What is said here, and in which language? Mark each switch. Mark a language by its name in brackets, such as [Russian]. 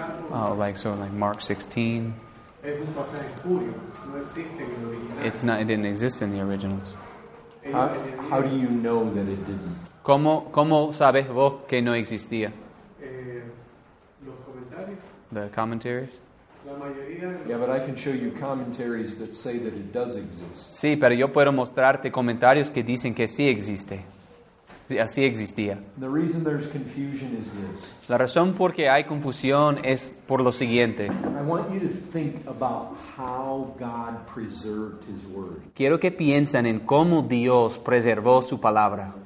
[English] Oh, like Mark 16. It's not, it didn't exist in the originals. How do you know that it didn't? [Spanish] ¿Cómo sabes vos que no existía? Los comentarios. [English] The commentaries? Yeah, but I can show you commentaries that say that it does exist. [Spanish] Sí, pero yo puedo mostrarte comentarios que dicen que sí existe. Sí, así existía. [English] The reason there's confusion is this. [Spanish] La razón por que hay confusión es por lo siguiente. [English] I want you to think about how God preserved His word. [Spanish] Quiero que piensen en cómo Dios preservó su palabra.